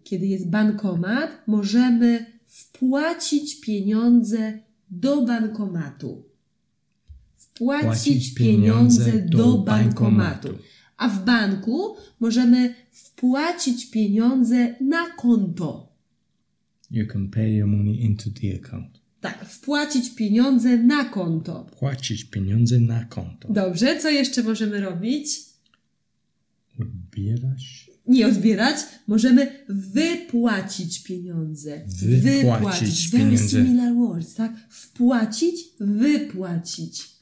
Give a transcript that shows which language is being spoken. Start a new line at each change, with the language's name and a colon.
Polish: Kiedy jest bankomat, możemy wpłacić pieniądze do bankomatu. Wpłacić pieniądze do bankomatu. A w banku możemy wpłacić pieniądze na konto.
English: You can pay your money into the account.
Polish: Tak, wpłacić pieniądze na konto. Wpłacić pieniądze na konto. Dobrze, co jeszcze możemy robić? Odbierać? Nie odbierać, możemy wypłacić pieniądze. Wypłacić pieniądze.
English: Very similar words, tak? Wpłacić, wypłacić.